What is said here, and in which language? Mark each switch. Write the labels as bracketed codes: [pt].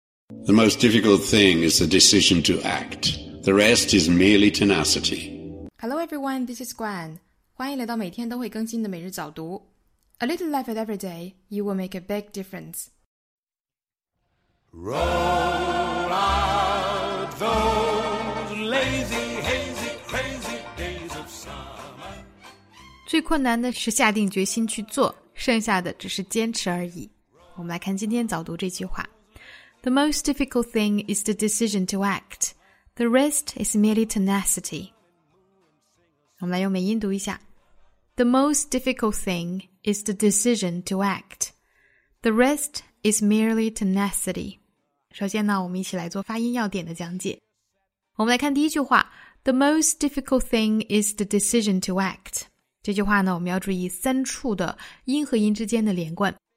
[en] The most difficult thing is the decision to act. The rest is merely tenacity. Hello everyone, this is Gwen. [zh] 欢迎来到每天都会更新的每日早读。 [en] A little life at every day, you will make a big difference. Roll out those lazy, hazy, crazy days of summer. [zh] 最困难的是下定决心去做，剩下的只是坚持而已。我们来看今天早读这句话。 [en] The most difficult thing is the decision to act. The rest is merely tenacity. [zh] 我们来用美音读一下。 [en] The most difficult thing is the decision to act. The rest is merely tenacity. [zh] 首先呢，我们一起来做发音要点的讲解。我们来看第一句话。 The most difficult thing is the decision to act. 这句话呢，我们要注意三处的音和音之间的连贯。